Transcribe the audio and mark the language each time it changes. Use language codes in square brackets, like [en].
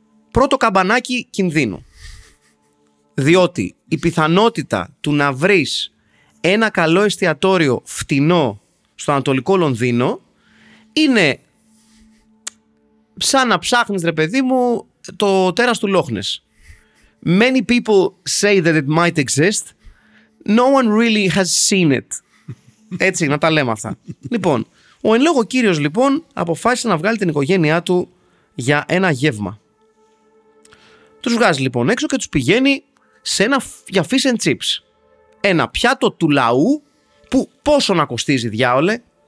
[el] Πρώτο καμπανάκι κινδύνου. Διότι η πιθανότητα του να βρεις ένα καλό εστιατόριο φτηνό στο Ανατολικό Λονδίνο είναι σαν να ψάχνεις, ρε παιδί μου, το τέρας του Λόχνες. [en] Many people say that it might exist. No one really has seen it. [el] Έτσι, να τα λέμε αυτά. Λοιπόν, ο εν λόγω κύριος λοιπόν αποφάσισε να βγάλει την οικογένειά του για ένα γεύμα. Τους βγάζει λοιπόν έξω και τους πηγαίνει σε ένα για fish and chips. Ένα πιάτο του λαού που πόσο να κοστίζει, διάολε.